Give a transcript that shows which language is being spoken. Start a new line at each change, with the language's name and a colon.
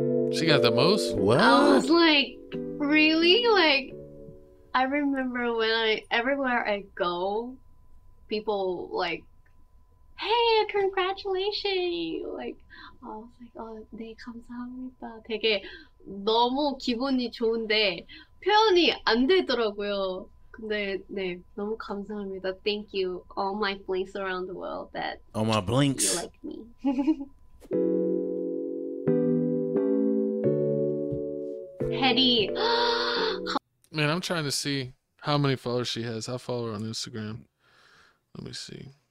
English: She got the most? What? I was like, really? Like, I remember when everywhere I go, people like, hey, congratulations. Like, I was like, oh,
Korean: 네, 감사합니다. 되게 너무 기분이 좋은데 표현이 안 되더라고요. 근데 네, 너무 감사합니다.
English: Thank you, all my blinks around the world that all my blinks. You like me. Hedy. Man, I'm trying to see how many followers she has. I follow her on Instagram. Let me see.